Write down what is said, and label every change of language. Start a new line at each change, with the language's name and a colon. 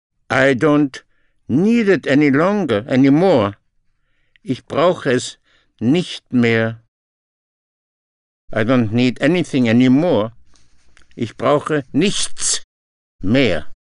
English: I don't need it any longer, anymore.
German: Ich brauche es nicht mehr.
English: I don't need anything anymore.
German: Ich brauche nichts mehr.